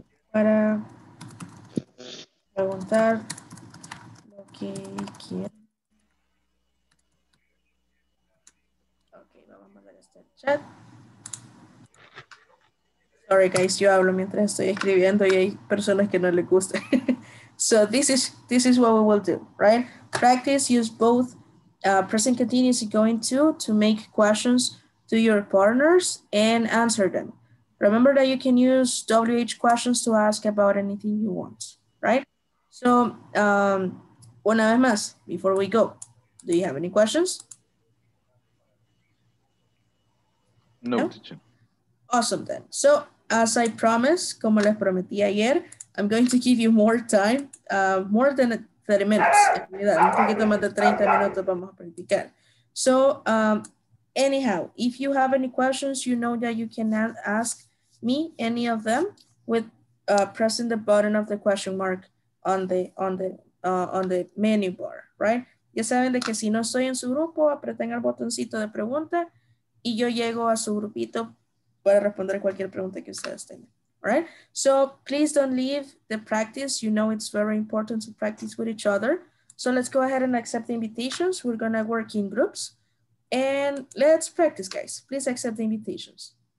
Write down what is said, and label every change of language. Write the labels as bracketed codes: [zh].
[es] Para preguntar lo que quieran. Ok, vamos a mandar este chat. [en] Sorry guys, [es] yo hablo mientras estoy escribiendo y hay personas que no les gusta. [en] So this is what we will do, right? Practice, use both present continuous and going to make questions to your partners and answer them. Remember that you can use WH questions to ask about anything you want, right? So, [es] una vez más, [en] before we go, do you have any questions? No, teacher. Awesome then. So, as I promised, [es] como les prometí ayer, [en] I'm going to give you more time, more than 30 minutes. [es] En realidad, un poquito más de 30 minutos vamos a practicar. [en] So, anyhow, if you have any questions, you know that you can ask me any of them with pressing the button of the question mark on the menu bar, right? [es] Ya saben de que si no estoy en su grupo, apreten el botoncito de pregunta y yo llego a su grupito para responder cualquier pregunta que ustedes tengan, right? [en] So please don't leave the practice. You know it's very important to practice with each other. So let's go ahead and accept the invitations. We're gonna work in groups and let's practice, guys. Please accept the invitations.